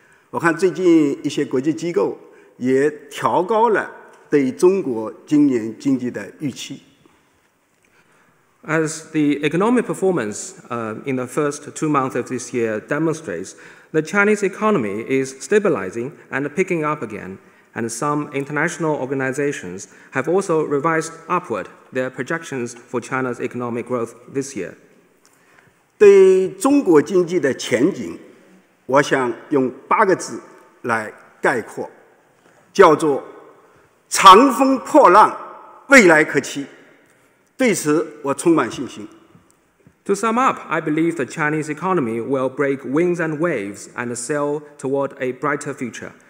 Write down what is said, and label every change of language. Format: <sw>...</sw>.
<zh>我看最近一些国际机构。也调高了对中国今年经济的预期。</zh> <en>As the economic performance in the first 2 months of this year demonstrates, the Chinese economy is stabilizing and picking up again, and some international organizations have also revised upward their projections for China's economic growth this year.</en> <zh>对中国经济的前景，我想用八个字来概括。叫做长风破浪，未来可期，对此我充满信心。</zh> <en>To sum up, I believe the Chinese economy will break winds and waves and sail toward a brighter future.</en>